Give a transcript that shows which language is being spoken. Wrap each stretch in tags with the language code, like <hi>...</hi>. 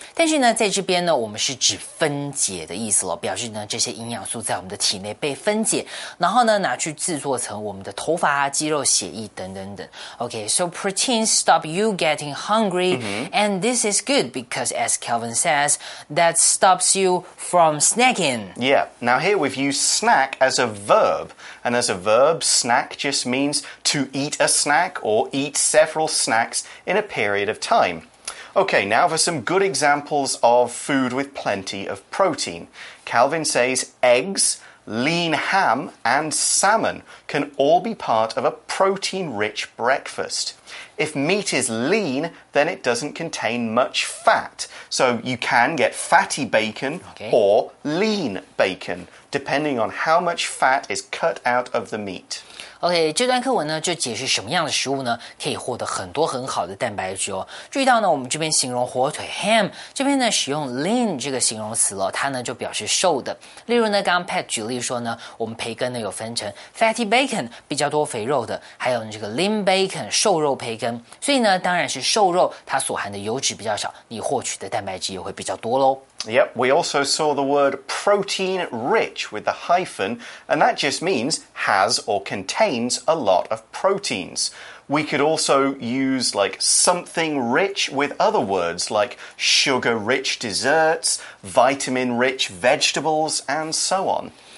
<zh>但是呢在这边呢我们是指分解的意思了，表示呢这些营养素在我们的体内被分解，然后呢拿去制作成我们的头发啊肌肉血液等等等。</zh> <en>Okay, so protein stop you getting hungry, and this is good because, as Calvin says, that stops you from snacking. Yeah, now here we've used snack as a verb, and as a verb, snack just means to eat a snack or eat several snacks in a period of time. Okay, now for some good examples of food with plenty of protein. Calvin says eggs, lean ham, and salmon can all be part of a protein-rich breakfast. If meat is lean, then it doesn't contain much fat. So you can get fatty bacon or lean bacon, depending on how much fat is cut out of the meat.</en> <zh>OK, 这段课文呢就解释什么样的食物呢可以获得很多很好的蛋白质哦。注意到呢我们这边形容火腿 ,ham, 这边呢使用 lean 这个形容词了它呢就表示瘦的。例如呢刚刚 Pat 举例说呢我们培根呢有分成 fatty bacon, 比较多肥肉的还有这个 lean bacon, 瘦肉培根。所以呢当然是瘦肉它所含的油脂比较少你获取的蛋白质也会比较多咯。</zh> <en>Yep, we also saw the word protein rich with the hyphen, and that just means has or contains a lot of proteins. We could also use like something rich with other words like sugar rich desserts, vitamin rich vegetables, and so on.</en>